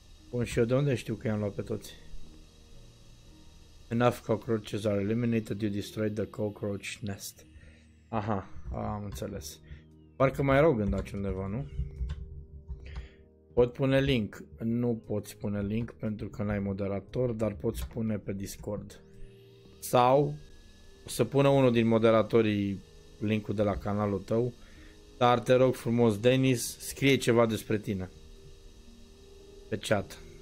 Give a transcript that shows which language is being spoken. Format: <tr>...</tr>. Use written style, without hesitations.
<ro>Bun, și eu de unde știu că i-am luat pe toți?</ro> <en>Enough cockroaches are eliminated, you destroyed the cockroach nest.</en> <ro>Aha, am înțeles. Parcă mai erau gândaci undeva, nu? Pot pune link. Nu poți pune link pentru că n-ai moderator, dar poți pune pe Discord. Sau să pună unul din moderatorii linkul de la canalul tău, dar te rog frumos, Denis, scrie ceva despre tine pe chat.</ro>